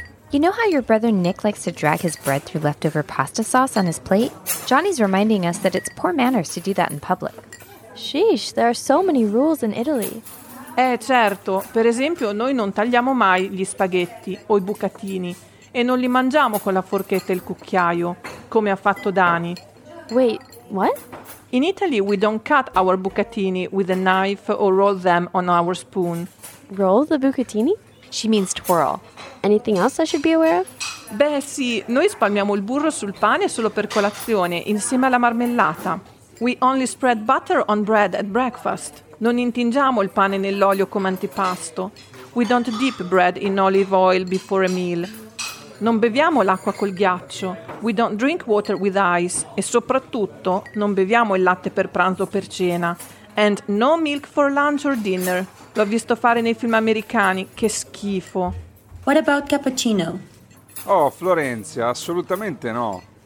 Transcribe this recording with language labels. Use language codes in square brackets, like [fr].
[en] You know how your brother Nick likes to drag his bread through leftover pasta sauce on his plate? Johnny's reminding us that it's poor manners to do that in public. Sheesh, there are so many rules in Italy. [it] Certo. Per esempio, noi non tagliamo mai gli spaghetti o i bucatini. E non li mangiamo con la forchetta e il cucchiaio, come ha fatto Dani. [en] Wait, what? In Italy we don't cut our bucatini with a knife or roll them on our spoon. Roll the bucatini? She means twirl. Anything else I should be aware of? [it] Beh sì, noi spalmiamo il burro sul pane solo per colazione, insieme alla marmellata. [en] We only spread butter on bread at breakfast. [it] Non intingiamo il pane nell'olio come antipasto. [en] We don't dip bread in olive oil before a meal. [it] Non beviamo l'acqua col ghiaccio. [en] We don't drink water with ice. [it] E soprattutto, non beviamo il latte per pranzo o per cena. [en] And no milk for lunch or dinner. [it] L'ho visto fare nei film americani. Che schifo. [en] What about cappuccino? [it] Oh, Florenzia, assolutamente no.